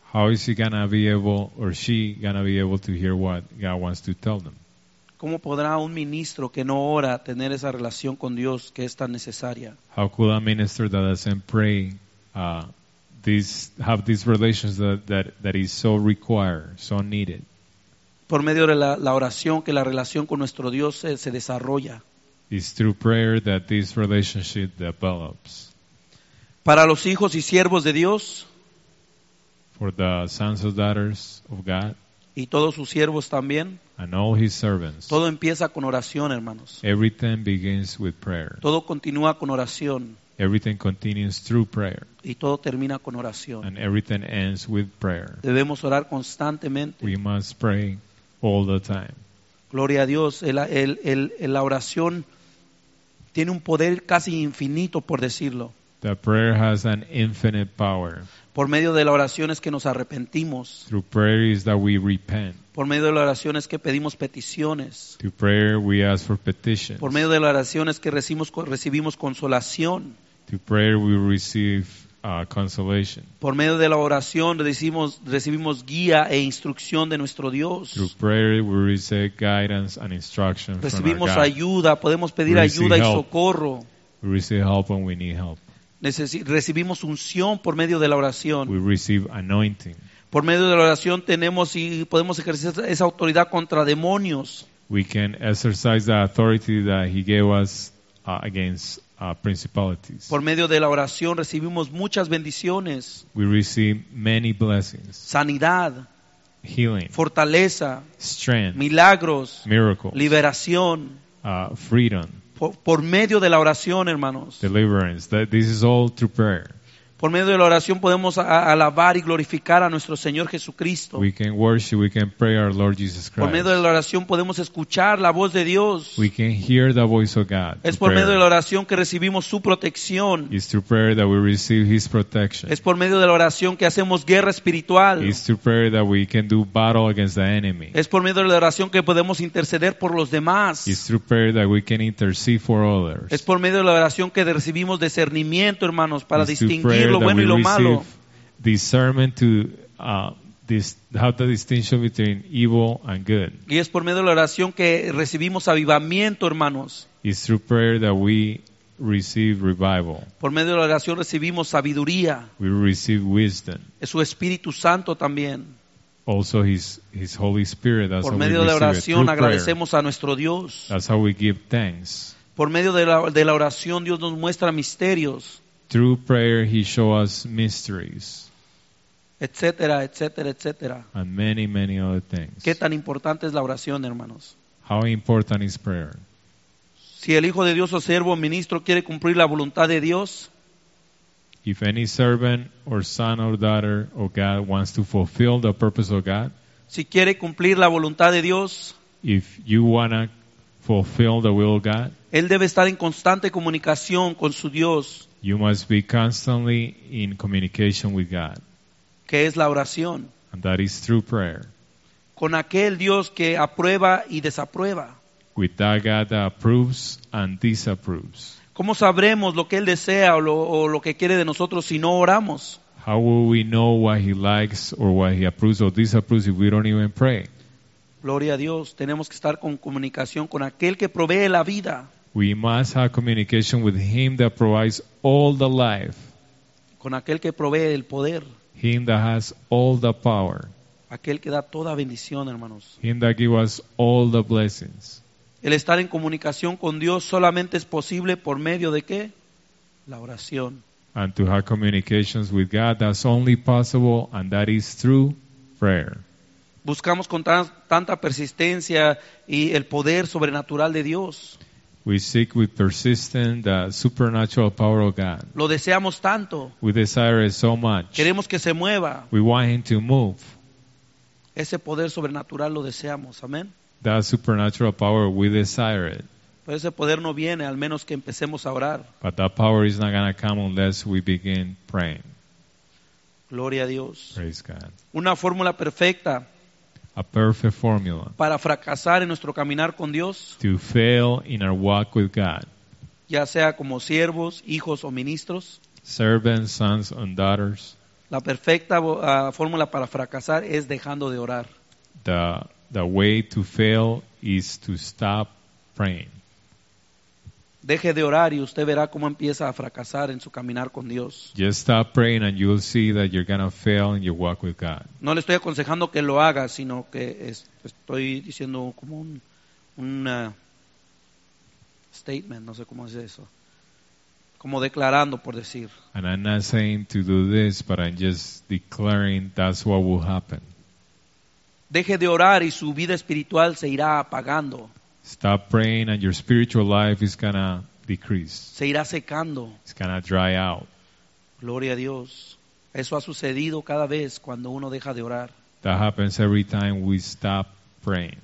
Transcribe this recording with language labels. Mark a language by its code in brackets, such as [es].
[en] How is he gonna be able or she gonna be able to hear what God wants to tell them? [es] ¿Cómo podrá un ministro que no ora tener esa relación con Dios que es tan necesaria? [en] How could a minister that doesn't pray have these relations that is so required, so needed? [es] Por medio de la oración que la relación con nuestro Dios se desarrolla. [en] It's through prayer that this relationship develops. [es] Para los hijos y siervos de Dios. [en] For the sons and daughters of God. [es] Y todos sus siervos también. [en] And all his servants. [es] Todo empieza con oración, hermanos. [en] Everything begins with prayer. [es] Todo continúa con oración. [en] Everything continues through prayer. [es] Y todo termina con oración. [en] And everything ends with prayer. [es] Debemos orar constantemente. [en] We must pray all the time. [es] Gloria a Dios. La oración tiene un poder casi infinito, por decirlo. [en] The prayer has an infinite power. [es] Por medio de la oración es que nos arrepentimos. [en] Through prayer is that we repent. [es] Por medio de la oración es que pedimos peticiones. [en] Through prayer we ask for petitions. [es] Por medio de la oración es que recibimos consolación. [en] Through prayer we receive consolation. [es] Por medio de la oración recibimos guía e instrucción de nuestro Dios. [en] Through prayer we receive guidance and instruction from our God. [es] Recibimos ayuda, podemos pedir ayuda y socorro. [en] We receive help when we need help. [es] Recibimos unción por medio de la oración. [en] We receive anointing. [es] Por medio de la oración tenemos y podemos ejercer esa autoridad contra demonios. [en] We can exercise the authority that he gave us against principalities. [es] Por medio de la oración recibimos muchas bendiciones. [en] We receive many blessings. [es] Sanidad. [en] Healing. [es] Fortaleza. [en] Strength. [es] Milagros. [en] Miracles. [es] Liberación. [en] Freedom. [es] Por medio de la oración, hermanos. [en] Deliverance. This is all through prayer. [es] Por medio de la oración podemos alabar y glorificar a nuestro Señor Jesucristo. [en] We can worship, we can pray our Lord Jesus Christ. [es] Por medio de la oración podemos escuchar la voz de Dios. [en] We can hear the voice of God. [es] Es por medio de la oración que recibimos su protección. [en] It's through prayer that we receive His protection. [es] Es por medio de la oración que hacemos guerra espiritual. [en] It's through prayer that we can do battle against the enemy. [es] Es por medio de la oración que podemos interceder por los demás. [en] It's through prayer that we can intercede for others. [es] Es por medio de la oración que recibimos discernimiento, hermanos, para distinguir lo bueno y lo malo. [en] Discernment to have the distinction between evil and good. [es] Y es por medio de la oración que recibimos avivamiento, hermanos. [en] It's through prayer that we receive revival. [es] Por medio de la oración recibimos sabiduría. [en] We receive wisdom. [es] Es su Espíritu Santo también. [en] Also his Holy Spirit. [es] Por medio de la oración agradecemos a nuestro Dios. [en] That's how we give thanks. [es] Por medio de la oración Dios nos muestra misterios. [en] Through prayer, He shows us mysteries, etc., etc., etc., and many, many other things. [es] ¿Qué tan importante es la oración, hermanos? [en] How important is prayer? [es] Si el Hijo de Dios o siervo o ministro quiere cumplir la voluntad de Dios, [en] if any servant or son or daughter of God wants to fulfill the purpose of God, [es] si quiere cumplir la voluntad de Dios, [en] if you want to fulfill the will of God, [es] él debe estar en constante comunicación con su Dios. [en] You must be constantly in communication with God. [es] ¿Qué es la oración? [en] And that is through prayer. [es] Con aquel Dios que aprueba y desaprueba. [en] With that God that approves and disapproves. [es] ¿Cómo sabremos lo que Él desea o lo que quiere de nosotros si no oramos? [en] How will we know what He likes or what He approves or disapproves if we don't even pray? [es] Gloria a Dios, tenemos que estar con comunicación con aquel que provee la vida. [en] We must have communication with Him that provides all the life. [es] Con aquel que provee el poder. [en] Him that has all the power. [es] Aquel que da toda bendición, hermanos. [en] Him that gives us all the blessings. [es] El estar en comunicación con Dios solamente es posible por medio de ¿qué? La oración. [en] And to have communications with God, that's only possible, and that is through prayer. [es] Buscamos con tanta persistencia y el poder sobrenatural de Dios. [en] We seek with persistence the supernatural power of God. [es] Lo deseamos tanto. [en] We desire it so much. [es] Queremos que se mueva. [en] We want Him to move. [es] Ese poder sobrenatural lo deseamos. Amén. [en] That supernatural power, we desire it. [es] Pero ese poder no viene al menos que empecemos a orar. [en] But that power is not going to come unless we begin praying. [es] Gloria a Dios. [en] Praise God. [es] Una fórmula perfecta. [en] A perfect formula. [es] Para fracasar en nuestro caminar con Dios. [en] To fail in our walk with God. [es] Ya sea como siervos, hijos o ministros. [en] Servants, sons and daughters. [es] La perfecta fórmula para fracasar es dejando de orar. [en] The way to fail is to stop praying. [es] Deje de orar y usted verá cómo empieza a fracasar en su caminar con Dios. [en] Just stop praying and you'll see that you're going to fail in your walk with God. [es] No le estoy aconsejando que lo haga, sino que estoy diciendo como un statement, no sé cómo es eso. Como declarando, por decir. [en] And I'm not saying to do this, but I'm just declaring that's what will happen. [es] Deje de orar y su vida espiritual se irá apagando. [en] Stop praying and your spiritual life is going to decrease. [es] Se irá secando. [en] It's going to dry out. [es] Gloria a Dios. Eso ha sucedido cada vez cuando uno deja de orar. [en] That happens every time we stop praying.